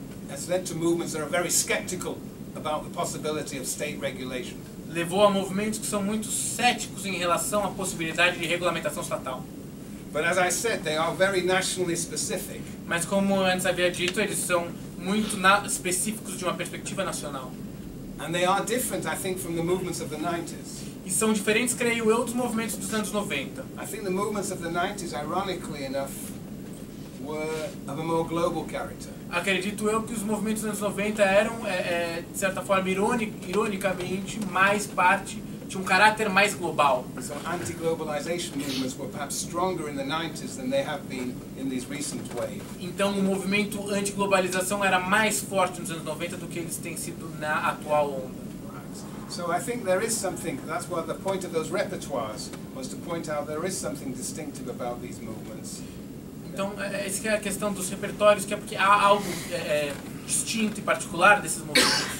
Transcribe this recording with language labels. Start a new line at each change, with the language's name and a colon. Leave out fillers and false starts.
English: has led to movements that are very skeptical about the possibility of state regulation.
Portuguese: Levou a movimentos que são muito céticos em relação à possibilidade de regulamentação estatal.
English: But as I said, they are very nationally specific.
Portuguese: Mas como eu antes havia dito, eles são muito específicos de uma perspectiva nacional.
English: And they are different, I think, from the movements of the 90s.
Portuguese: E são diferentes, creio eu, dos movimentos dos anos 90.
English: I think the movements of the 90s, ironically enough, were of a more global character.
Portuguese: Acredito eu que os movimentos dos anos 90 eram, de certa forma, ironicamente, mais parte de um caráter mais global.
English: So anti-globalization movements were perhaps stronger in the 90s than they have been in these recent waves.
Portuguese: Então o movimento anti-globalização era mais forte nos anos 90 do que eles têm sido na atual onda.
English: So I think there is something, that's what the point of those repertoires was, to point out there is something distinctive about these movements.
Portuguese: Então, essa que é a questão dos repertórios, que é porque há algo distinto e particular desses movimentos.